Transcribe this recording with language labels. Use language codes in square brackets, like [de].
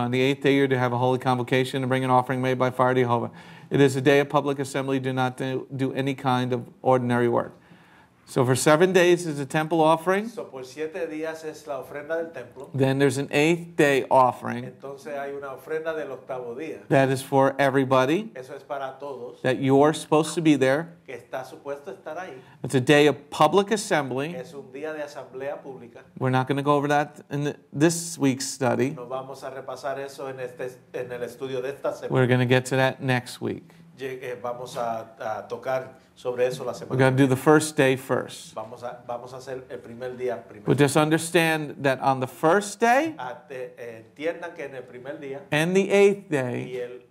[en] On the eighth day you are to have a holy convocation and bring an offering made by fire to Jehovah. It is a day of public assembly. Do not do any kind of ordinary work. So for 7 days is the temple offering. [es] So por siete días es la ofrenda del templo. [en] Then there's an eighth day offering. [es] Entonces hay una ofrenda del octavo día. [en] That is for everybody. [es] Eso es para todos. [en] That you're supposed to be there. [es] Que está supuesto estar ahí. [en] It's a day of public assembly. [es] Es un día de asamblea pública. [en] We're not going to go over that in this week's study. [es] No vamos a repasar eso en este, en el estudio de esta semana. [en] We're going to get to that next week. [es] Vamos a tocar sobre eso la semana. [en] We're going to do the first day first. [es] Vamos a hacer el primer día primero. [en] But just understand that on the first day [es] entiendan que en el primer día, [en] and the eighth day